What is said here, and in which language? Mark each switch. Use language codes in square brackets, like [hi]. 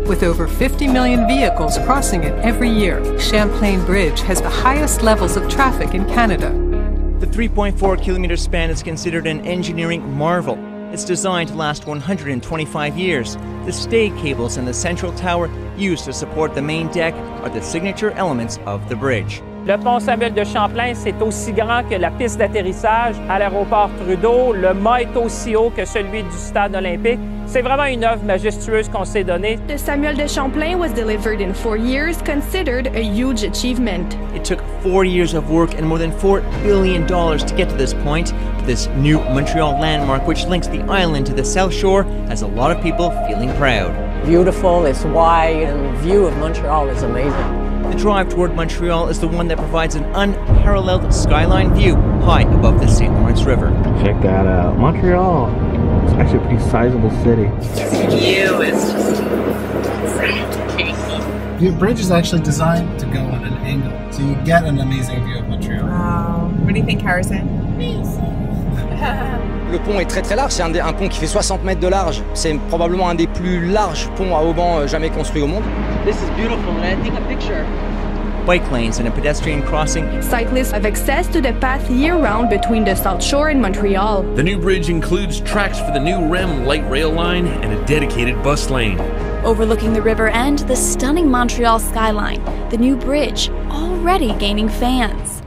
[en] With over 50 million vehicles crossing it every year, Champlain Bridge has the highest levels of traffic in Canada. The 3.4-kilometer span is considered an engineering marvel. It's designed to last 125 years. The stay cables in the central tower used to support the main deck are the signature elements of the bridge. [fr] Le pont Samuel de Champlain, c'est aussi grand que la piste d'atterrissage à l'aéroport Trudeau. Le mât est aussi haut que celui du stade olympique. C'est vraiment une œuvre majestueuse qu'on s'est donnée. [en] The Samuel de Champlain was delivered in 4 years, considered a huge achievement. It took 4 years of work and more than $4 billion to get to this point. This new Montreal landmark, which links the island to the South Shore, has a lot of people feeling proud. Beautiful, it's wide, and the view of Montreal is amazing. The drive toward Montreal is the one that provides an unparalleled skyline view high above the St. Lawrence River. Check that out. Montreal. It's actually a pretty sizable city. The view is just breathtaking. The bridge is actually designed to go on an angle, so you get an amazing view of Montreal. Wow. What do you think, Harrison? [fr] Amazing. Le pont est très très large. C'est un pont qui fait 60 mètres de large. C'est probablement un des plus larges ponts à auban jamais construit au monde. [en] This is beautiful, and I think a picture. Bike lanes and a pedestrian crossing. Cyclists have access to the path year-round between the South Shore and Montreal. The new bridge includes tracks for the new REM light rail line and a dedicated bus lane. Overlooking the river and the stunning Montreal skyline, the new bridge already gaining fans.